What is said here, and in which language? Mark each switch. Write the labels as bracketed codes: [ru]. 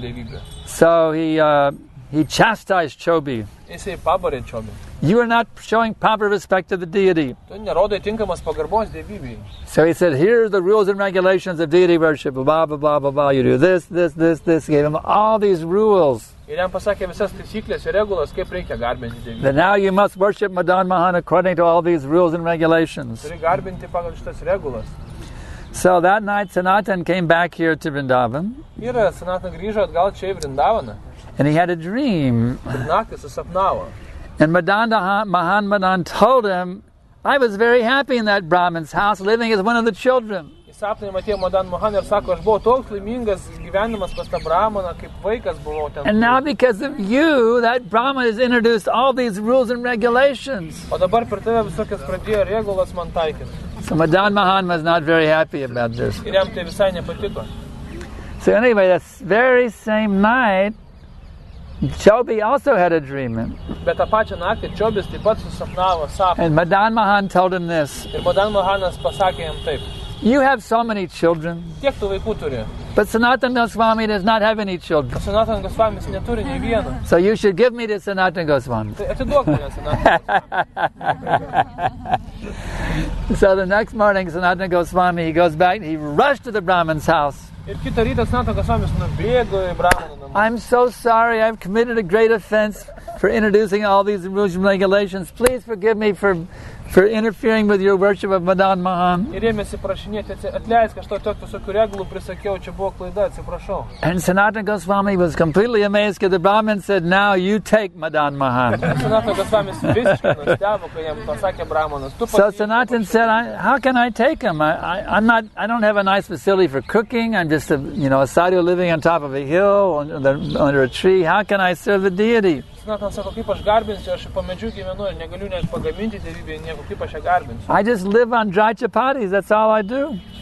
[lt] deivybę. [en] So he chastised Chobi. [lt] Jisai pabarė Chobi. [en] You are not showing proper respect to the deity. [lt] Tu nerodai tinkamas pagarbos deivybei. [en] So he said, here are the rules and regulations of deity worship. Blah, blah, blah, blah, blah. You do this, this, this, this. Gave him all these rules. [lt] Ir jam pasakė visas taisyklės ir regulas, kaip reikia garbinti deivybę. [en] Then now you must worship Madan Mohan according to all these rules and regulations. [lt] Turi garbinti pagal šitas regulas. [en] So that night Sanatana came back here to Vrindavan. [lt] Ir Sanatana grįžo atgal čia į Vrindavaną. [en] And he had a dream. [lt] Naktį susapnavo. [en] And Mohan Madan told him, I was very happy in that Brahmin's house, living as one of the children. [lt] Jis sapne matė Madan Mohan ir sako, aš buvau toks laimingas gyvenimas pas tą Brahmaną, kaip vaikas buvau ten. [en] And now because of you, that Brahmin has introduced all these rules and regulations. [lt] O dabar per tave visokias pradėjo regulas man taikyti. [en] So Madan Mohan was not very happy about this. [lt] Ir jam tai visai nepatiko. [en] So anyway, that very same night, Chobi also had a dream. [lt] Bet tą pačią naktį Čiobis taip pat susapnavo sapną. [en] And Madan Mohan told him this. [lt] Ir Madan Mohanas pasakė jam taip. [en] You have so many children. [lt] Tiek tu vaikų turi. [en] But Sanatana Goswami does not have any children. [lt] Sanatana Goswami neturi nei vieno. [en] So you should give me to Sanatana Goswami. [lt] Atiduok man Sanatana. [en] So the next morning, Sanatana Goswami, he goes back, he rushed to the Brahmin's house. [lt] Ir kitą rytą Sanatana Goswami nubėgo į Brahmino namus. [en] I'm so sorry, I've committed a great offense for introducing all these rules and regulations. Please forgive me for interfering with your worship of Madan Mohan. [lt] Ir ėmėsi prašinėti, atleisk, aš tokių visokių reglų prisakiau, čia buvo klaida, atsiprašau. [en] And Sanatana Goswami was completely amazed, because the Brahmin said, now you take Madan Mohan. [lt] Sanatana Goswami visiškai nustebo, kai jam pasakė [en] Brahmanas. So Sanatana said, how can I take him? I don't have a nice facility for cooking, I'm just a sadhu living on top of a hill, under a tree, how can I serve the deity? I just live on dry chapatis, that's all I do.